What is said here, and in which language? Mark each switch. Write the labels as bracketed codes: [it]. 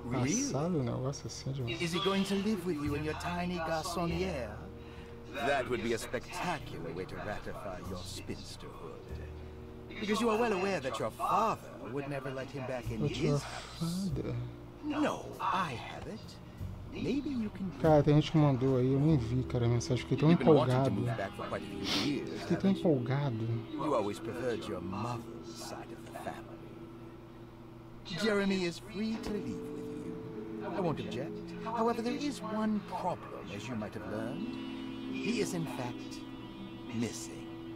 [en] Passado, really? [pt] Um negócio assim é demais. [en] Is he going to live with you in your tiny garçonnière? That would be a spectacular way to ratify your spinsterhood. Because you are well aware that your father would never let him back in his house. No, I have it. Maybe you can. [pt] Cara, tem gente que mandou aí, eu nem vi, cara, a mensagem. Fiquei tão empolgado. Fiquei tão empolgado. [en] You always preferred your mother's side of the family. Jeremy is free to leave with you. I won't object. However, there is one problem, as you might have learned. He is, in fact, missing.